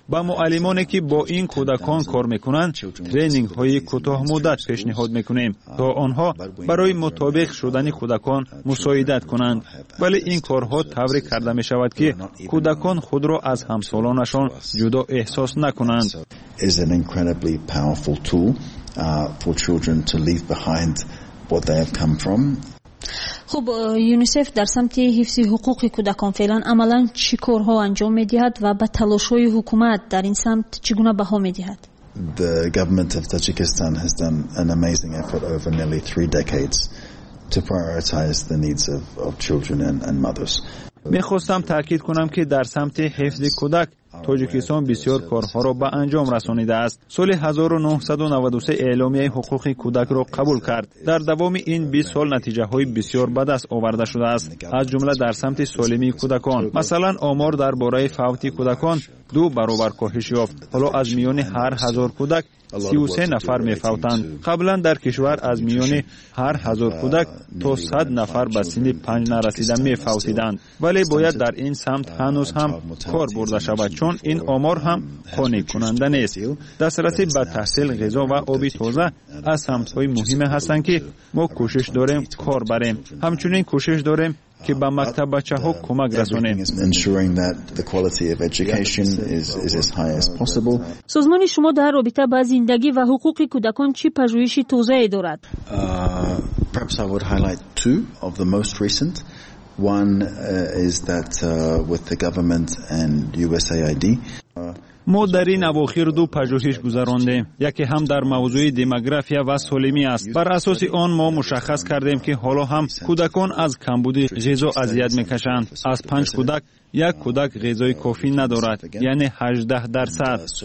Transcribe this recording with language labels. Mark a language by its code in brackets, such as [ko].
[fa] با معلمانی که با این کودکان کار میکنند ترینینگ های کوتاه مدت پیشنهاد میکنیم تا آنها برای مطابق شدن کودکان مساعدت کنند. ولی این کارها طوری کرده میشود که کودکان خود را از همسالانشان جدا احساس نکنند. [en] Is an incredibly powerful tool for children to leave behind what they have come from. [fa] خب یونیسف در سمت حفظ حقوق کودکان فعلا عملا چی کارها انجام میدهد و به تلاش های حکومت در این سمت چگونه بها میدهد؟ [en] The government of Tajikistan has done an amazing effort over nearly 3 decades to prioritize the needs of children and mothers. [fa] میخواستم تاکید کنم که در سمت حفظ کودک تاجیکستان بسیار کارها را به انجام رسانیده است. سال 1993 اعلامیه حقوق کودک را قبول کرد. در دوام این 20 سال نتیجه های بسیار بد است آورده شده است. از جمله در سمت سالمی کودکان. مثلا آمار در باره فوت کودکان 2 برابر کاهش یافت. حالا از میان هر 1000 کودک 33 نفر می فوتند. قبلا در کشور از میان هر 1000 کودک تا 100 نفر به سن 5 نرسیده می فوتیدند. ولی باید در این سمت هنوز هم کار برده شود. چون این آمار هم قانع کننده نیست. دسترسی به تحصیل غذا و آب تازه از سمت‌های مهم هستند که ما کوشش داریم کار بریم. همچنین کوشش داریم که به مکتب بچه‌ها کمک رسانیم. سازمان شما در رابطه با زندگی و حقوق کودکان چی پژوهش تازه‌ای دارد؟ [en] Perhaps I would highlight two of the most recent. One is that with the government and USAID. [fa] ما در این اواخر 2 پژوهش گذراندیم. یکی هم در موضوع دموگرافیا و سالمی است. بر اساس آن ما مشخص کردیم که حالا هم کودکان از کمبود غذا اذیت میکشند. از 5 کودک یک کودک غذای کافی ندارد، یعنی 18%.